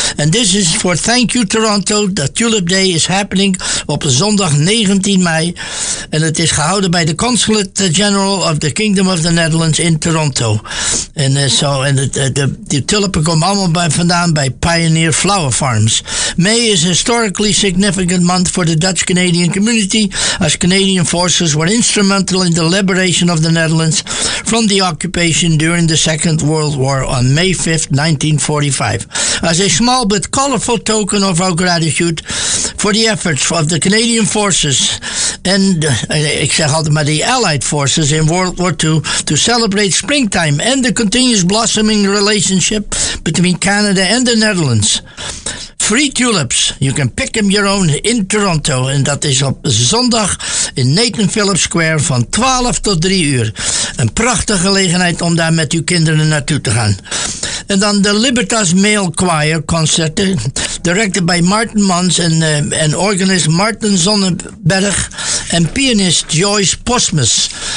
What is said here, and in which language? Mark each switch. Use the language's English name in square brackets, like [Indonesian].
[English] En this is for Thank You Toronto. The Tulip Day is happening [Dutch] op zondag 19 mei. En het is gehouden bij de Consulate General of the Kingdom of the Netherlands in Toronto. En zo, en de tulpen komen allemaal vandaan bij Pioneer Flower Farms. [English] May is a historically significant month for the Dutch Canadian community, as Canadian forces were instrumental in the liberation of the Netherlands from the occupation during the Second World War on May 5th, 1945. As a small but colorful token of our gratitude for the efforts of the Canadian forces and, [Dutch] ik zeg altijd maar, [English] the Allied forces in World War II to celebrate springtime and the continuous blossoming relationship between Canada and the Netherlands. Free Tulips. You can pick them your own in Toronto. [Dutch] En dat is op zondag in Nathan Phillips Square van 12 tot 3 uur. Een prachtige gelegenheid om daar met uw kinderen naartoe te gaan. En dan de Libertas Male Choir concerten. [English] Directed by [Dutch] Martin Mans en organist Martin Zonneberg en pianist Joyce Posmus.